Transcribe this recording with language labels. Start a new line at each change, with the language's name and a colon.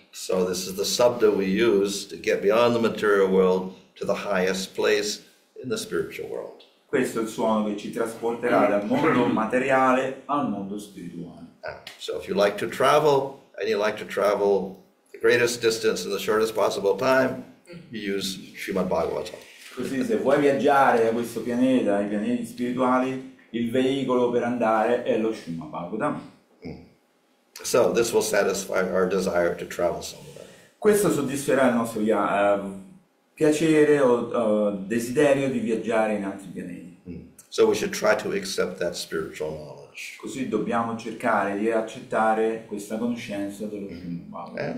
English: So this is the sabda we use to get beyond the material world to the highest place in the spiritual world.
Italian: Questo è il suono che ci trasporterà dal mondo materiale al mondo spirituale.
English: So if you like to travel, and you like to travel the greatest distance in the shortest possible time, you use Srimad Bhagavatam.
Italian: Così se vuoi viaggiare a questo pianeta, ai pianeti spirituali, il veicolo per andare è lo Srimad Bhagavatam.
English: So this will satisfy our desire to travel somewhere.
Italian: Questo soddisferà il nostro piacere o desiderio di viaggiare in altri pianeti.
English: So we should try to accept that spiritual knowledge.
Italian: Così dobbiamo cercare di accettare questa conoscenza dello Srimad Bhagavatam.